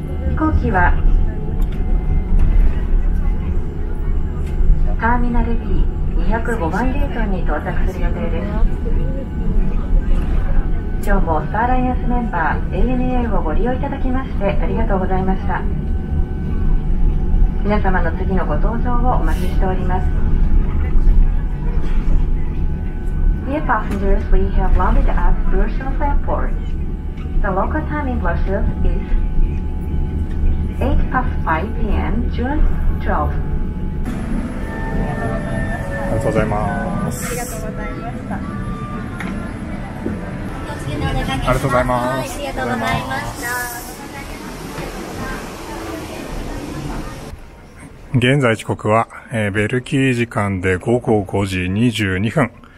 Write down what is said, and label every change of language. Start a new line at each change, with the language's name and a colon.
Japanese: 飛行機はターミナル B205 番ゲートに到着する予定です。今日もスターライアンスメンバー ANA をご利用いただきましてありがとうございました。皆様の次のご搭乗をお待ちしております。
English: Dear passengers, we have landed at Brussels Airport. The local time in Brussels is 8:05 p.m. June 12.
Japanese: ありがとうございます。ありがとうございました。ありがとうございます。ありがとうございました。現在時刻は、ベルギー時間で午後5時22分。